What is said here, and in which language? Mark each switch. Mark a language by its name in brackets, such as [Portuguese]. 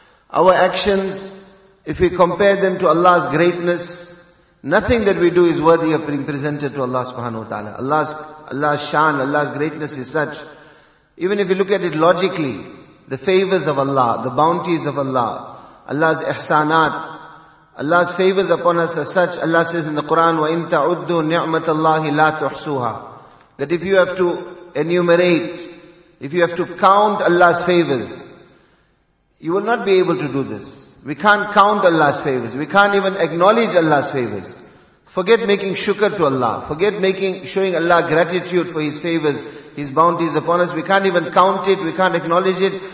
[English] Our actions, if we compare them to Allah's greatness, nothing that we do is worthy of being presented to Allah subhanahu wa ta'ala. Allah's shan, Allah's greatness is such. Even if you look at it logically, the favors of Allah, the bounties of Allah, Allah's ihsanat, Allah's favors upon us are such. [Arabic] Allah says in the Quran, وَإِن تَعُدُّوا نِعْمَةَ اللَّهِ لَا تُحْصُوهَا. [English] That if you have to enumerate, if you have to count Allah's favors, you will not be able to do this. We can't count Allah's favors. We can't even acknowledge Allah's favors. Forget making shukr to Allah. Forget showing Allah gratitude for His favors, His bounties upon us. We can't even count it. We can't acknowledge it.